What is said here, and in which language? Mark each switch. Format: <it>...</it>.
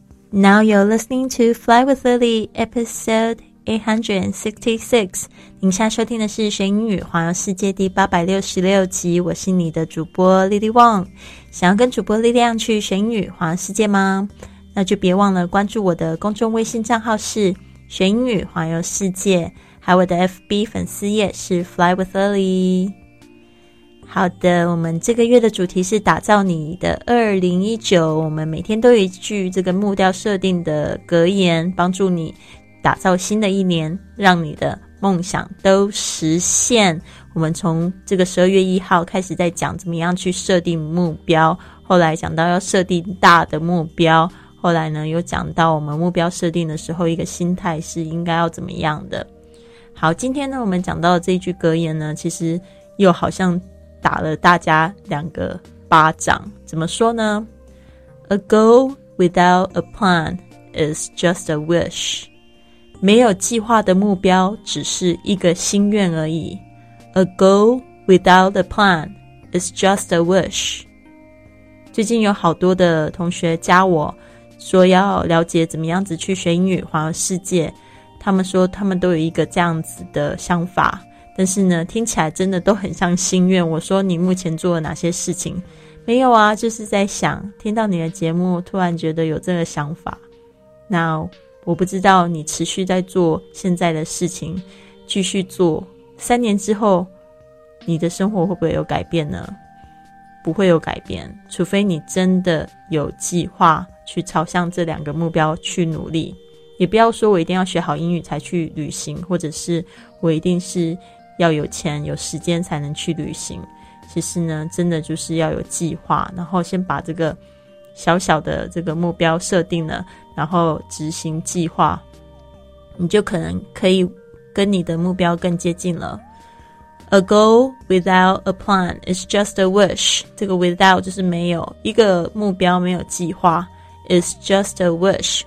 <en>Now you're listening to Fly with Lily, episode 866.</en> <zh>您现在收听的是学英语环游世界第866集，我是你的主播 Lily Wong。想要跟主播力量去学英语环游世界吗？那就别忘了关注我的公众微信账号是学英语环游世界，还有我的 FB 粉丝页是 Fly with Lily。好的，我们这个月的主题是打造你的 2019， 我们每天都有一句这个目标设定的格言，帮助你打造新的一年，让你的梦想都实现。我们从这个12月1号开始在讲怎么样去设定目标，后来讲到要设定大的目标，后来呢又讲到我们目标设定的时候一个心态是应该要怎么样的。好，今天呢我们讲到的这一句格言呢，其实又好像打了大家两个巴掌。怎么说呢？</zh> <en>A goal without a plan is just a wish.</en> <zh>没有计划的目标只是一个心愿而已。</zh> <en>A goal without a plan is just a wish.</en> <zh>最近有好多的同学加我说要了解怎么样子去学英语环游世界，他们说他们都有一个这样子的想法，但是呢听起来真的都很像心愿。我说你目前做了哪些事情？没有啊，就是在想，听到你的节目突然觉得有这个想法。那我不知道你持续在做现在的事情，继续做三年之后你的生活会不会有改变呢？不会有改变，除非你真的有计划去朝向这两个目标去努力。也不要说我一定要学好英语才去旅行，或者是我一定是要有钱有时间才能去旅行。其实呢真的就是要有计划，然后先把这个小小的这个目标设定了，然后执行计划，你就可能可以跟你的目标更接近了。</zh> <en>A goal without a plan is just a wish.</en> <zh>这个 without 就是没有，一个目标没有计划</zh> <en>is just a wish.</en>